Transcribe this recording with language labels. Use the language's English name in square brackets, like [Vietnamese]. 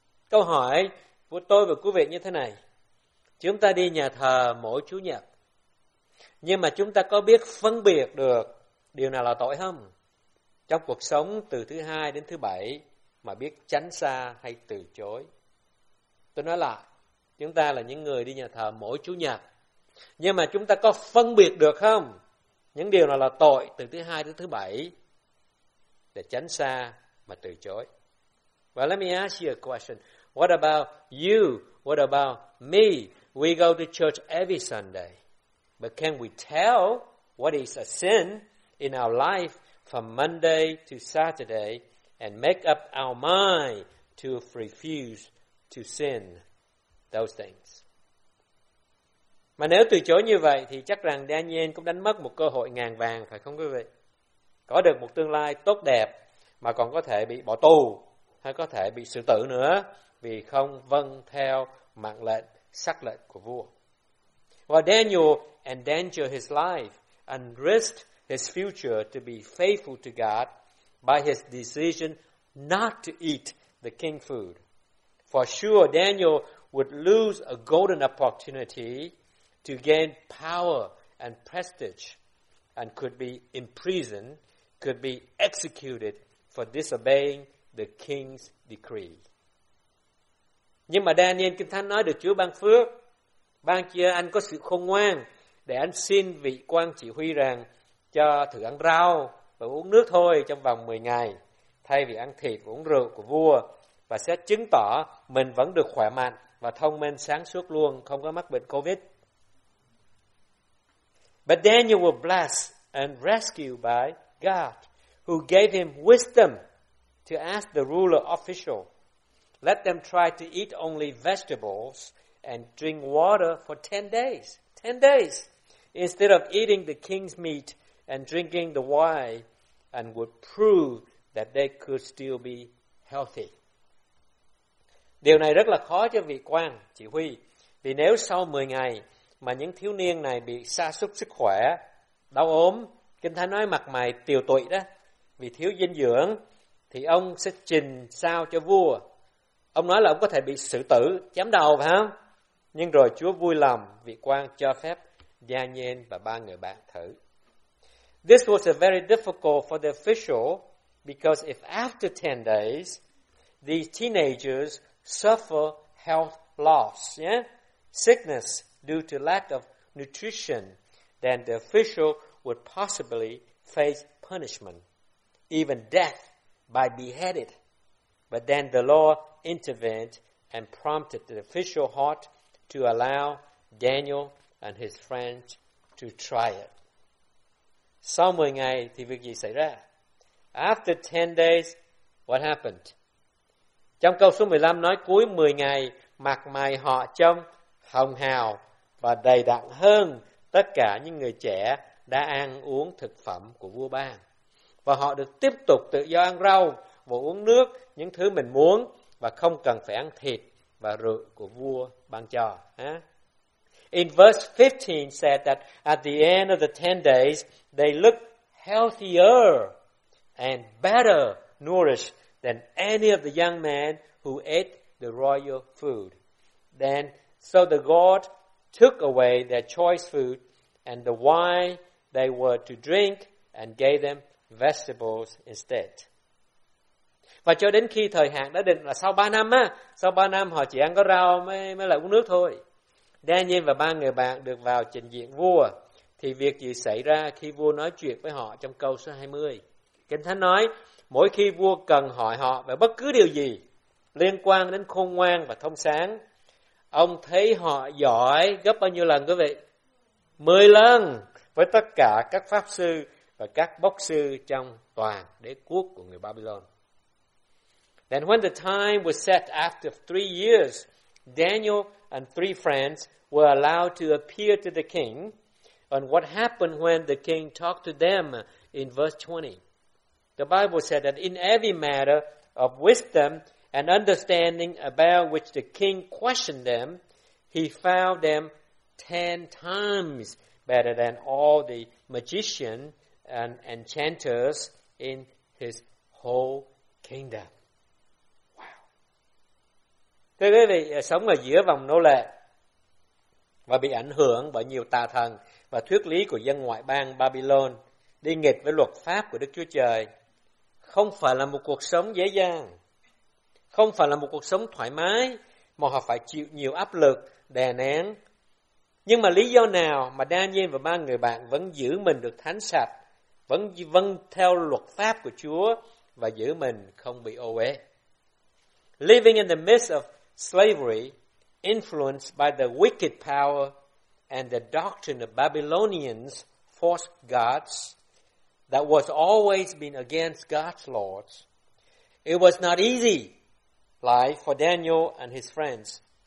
[Vietnamese] Câu hỏi của tôi và quý vị như thế này. Chúng ta đi nhà thờ mỗi Chủ nhật, nhưng mà chúng ta có biết phân biệt được điều nào là tội không? Trong cuộc sống từ thứ hai đến thứ bảy, mà biết tránh xa hay từ chối. Tôi nói lại, chúng ta là những người đi nhà thờ mỗi Chủ nhật, nhưng mà chúng ta có phân biệt được không những điều nào là tội từ thứ hai đến thứ bảy để tránh xa mà từ chối? [English] Well, let me ask you a question. What about you? What about me? We go to church every Sunday, but can we tell what is a sin in our life from Monday to Saturday and make up our mind to refuse to sin those things? [Vietnamese] Mà nếu từ chối như vậy thì chắc rằng Daniel cũng đánh mất một cơ hội ngàn vàng, phải không quý vị? Có được một tương lai tốt đẹp mà còn có thể bị bỏ tù hay có thể bị xử tử nữa vì không vâng theo mạng lệnh, sắc lệnh của vua. [English] Well, Daniel endangered his life and risked his future to be faithful to God by his decision not to eat the king food. For sure, Daniel would lose a golden opportunity to gain power and prestige, and could be imprisoned, could be executed for disobeying the king's decree. [Vietnamese] Nhưng mà Daniel, Kinh Thánh nói được Chúa ban phước, ban cho anh có sự khôn ngoan để anh xin vị quan chỉ huy rằng cho thử ăn rau và uống nước thôi trong vòng 10 ngày. thay vì ăn thịt uống rượu của vua, và sẽ chứng tỏ mình vẫn được khỏe mạnh và thông minh sáng suốt luôn, không có mắc bệnh COVID. [English] But Daniel was blessed and rescued by God, who gave him wisdom to ask the ruler official, let them try to eat only vegetables and drink water for 10 days. 10 days, instead of eating the king's meat and drinking the wine, and would prove that they could still be healthy. [Vietnamese] Điều này rất là khó cho vị quan chỉ huy, vì nếu sau 10 ngày mà những thiếu niên này bị sa sút sức khỏe, đau ốm, Kinh Thánh nói mặt mày tiều tụy đó, vì thiếu dinh dưỡng, thì ông sẽ trình sao cho vua. Ông nói là ông có thể bị xử tử, chém đầu phải không? Nhưng rồi Chúa vui lòng, vị quan cho phép Daniel và ba người bạn thử. [English] This was a very difficult for the official, because if after 10 days, these teenagers suffer health loss, yeah? Sickness due to lack of nutrition, then the official would possibly face punishment, even death by beheaded. But then the Lord intervened and prompted the official heart to allow Daniel and his friends to try it. [Vietnamese] Sau 10 ngày thì việc gì xảy ra? [English] After 10 days, what happened? [Vietnamese] Trong câu số 15 nói cuối 10 ngày, mặt mày họ trông hồng hào và đầy đặn hơn tất cả những người trẻ đã ăn uống thực phẩm của vua ban. Và họ được tiếp tục tự do ăn rau và uống nước, những thứ mình muốn, và không cần phải ăn thịt và rượu của vua ban cho. [English] In verse 15 said that at the end of the 10 days, they looked healthier and better nourished than any of the young men who ate the royal food. Then, so the God took away their choice food and the wine they were to drink and gave them vegetables instead. [Vietnamese] Và cho đến khi thời hạn đã định là sau 3 năm á, sau 3 năm họ chỉ ăn có rau mới lại uống nước thôi. Daniel và ba người bạn được vào trình diện vua, thì việc gì xảy ra khi vua nói chuyện với họ trong câu số 20? Kinh Thánh nói, mỗi khi vua cần hỏi họ về bất cứ điều gì liên quan đến khôn ngoan và thông sáng, ông thấy họ giỏi gấp bao nhiêu lần quý vị? 10 lần, với tất cả các pháp sư và các bốc sư trong toàn đế quốc của người Babylon. [English] Then when the time was set after 3 years, Daniel and 3 friends were allowed to appear to the king on what happened when the king talked to them in verse 20. The Bible said that in every matter of wisdom and understanding about which the king questioned them, he found them 10 times better than all the magicians and enchanters in his whole kingdom. [Vietnamese] Thưa quý vị, sống ở giữa vòng nô lệ và bị ảnh hưởng bởi nhiều tà thần và thuyết lý của dân ngoại bang Babylon, đi nghịch với luật pháp của Đức Chúa Trời, không phải là một cuộc sống dễ dàng, không phải là một cuộc sống thoải mái, mà họ phải chịu nhiều áp lực, đè nén. Nhưng mà lý do nào mà Daniel và ba người bạn vẫn giữ mình được thánh sạch, vẫn vâng theo luật pháp của Chúa và giữ mình không bị ô uế? [English] Living in the midst of slavery, influenced by the wicked power and the doctrine of Babylonians' false gods that was always been against God's laws, it was not easy life for Daniel and his friends.